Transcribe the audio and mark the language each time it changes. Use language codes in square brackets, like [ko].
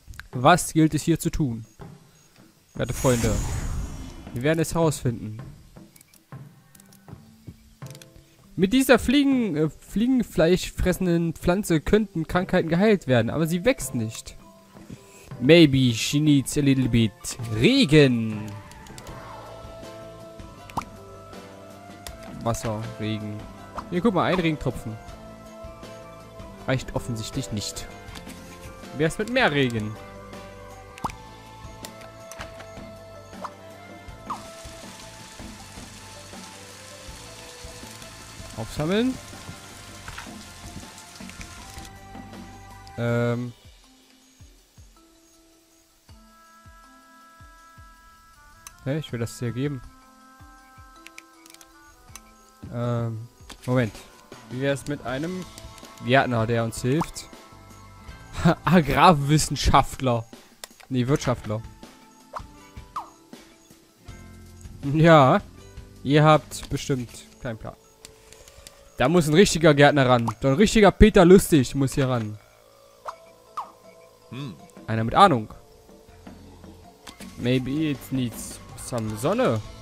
[de] Was gilt es hier zu tun? Werte Freunde, wir werden es herausfinden. Mit dieser fliegenfleischfressenden Pflanze könnten Krankheiten geheilt werden, aber sie wächst nicht. [en] Maybe she needs a little bit Regen. [de] Wasser, Regen. Hier, guck mal, ein Regentropfen. Reicht offensichtlich nicht. Wär's mit mehr Regen? Aufsammeln. Hey, ich will das dir geben. Moment. Wie wäre es mit einem Gärtner, der uns hilft? Agrarwissenschaftler. Nee, Wirtschaftler. Ja, ihr habt bestimmt keinen Plan. Da muss ein richtiger Gärtner ran. Ein richtiger Peter Lustig muss hier ran. Einer mit Ahnung. [en] Maybe it needs some Sonne.